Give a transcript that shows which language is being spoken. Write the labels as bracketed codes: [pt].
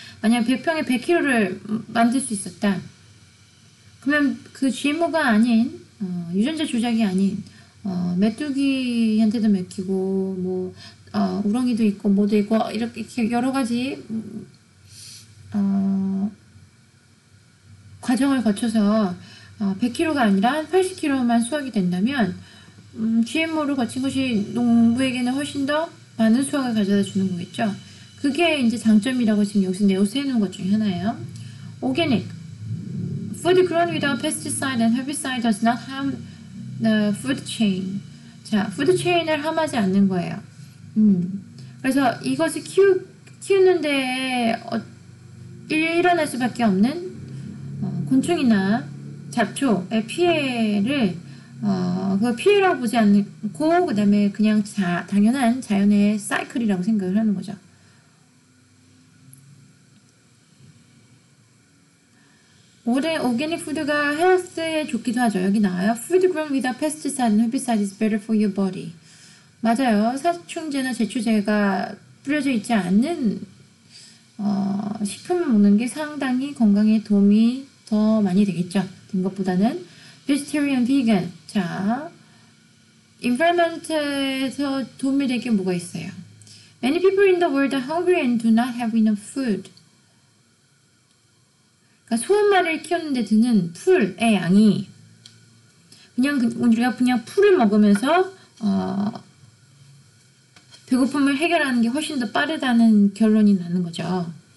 [ko] 만약 100평에 100kg를 만들 수 있었다. 그러면 그 GMO가 아닌 유전자 조작이 아닌 메뚜기한테도 먹히고 뭐 우렁이도 있고 뭐도 있고 이렇게 여러 가지 과정을 거쳐서 100kg가 아니라 80kg만 수확이 된다면 GMO를 거친 것이 농부에게는 훨씬 더 많은 수확을 가져다 주는 거겠죠. 그게 이제 장점이라고 지금 여기서 내세우는 것 중에 하나예요. [en] Organic food grown without pesticide and herbicide does not harm the food chain. [ko] 자, food chain을 함하지 않는 거예요. 그래서 이것을 키우는데 일어날 수밖에 없는 곤충이나 잡초의 피해를 그 피해라고 보지 않고 그다음에 그냥 당연한 자연의 사이클이라고 생각을 하는 거죠. 오랜 오가닉 푸드가 헬스에 좋기도 하죠. 여기 나와요. [en] Food grown without pesticides and herbicides is better for your body. [ko] 맞아요. 살충제나 제초제가 뿌려져 있지 않은 식품을 먹는 게 상당히 건강에 도움이 더 많이 되겠죠. 된 것보다는 vegetarian, vegan. 자, environment에서 도움이 될게 뭐가 있어요? [en] Many people in the world are hungry and do not have enough food. [ko] 그러니까 소한 마리를 키웠는데 드는 풀의 양이 우리가 그냥 풀을 먹으면서 배고픔을 해결하는 게 훨씬 더 빠르다는 결론이 나는 거죠.